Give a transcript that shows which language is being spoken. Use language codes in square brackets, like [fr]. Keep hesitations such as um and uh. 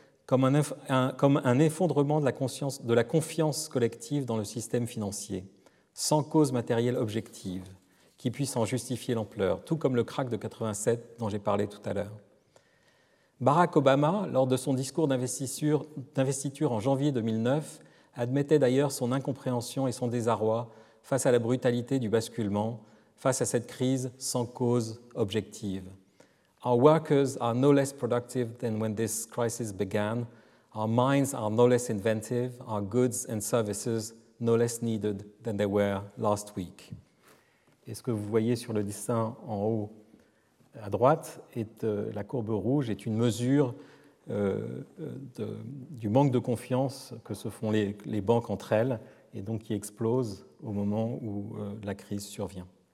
[fr] comme un, un, comme un effondrement de la, conscience, de la confiance collective dans le système financier, sans cause matérielle objective qui puisse en justifier l'ampleur, tout comme le crack de 87 dont j'ai parlé tout à l'heure. Barack Obama, lors de son discours d'investiture en janvier 2009, admettait d'ailleurs son incompréhension et son désarroi face à la brutalité du basculement, face à cette crise sans cause objective. [en] Our workers are no less productive than when this crisis began. Our minds are no less inventive. Our goods and services no less needed than they were last week. [fr] Et ce que vous voyez sur le dessin en haut à droite, est, euh, la courbe rouge est une mesure euh, de, du manque de confiance que se font les, les, banques entre elles et donc qui explose au moment où euh, la crise survient.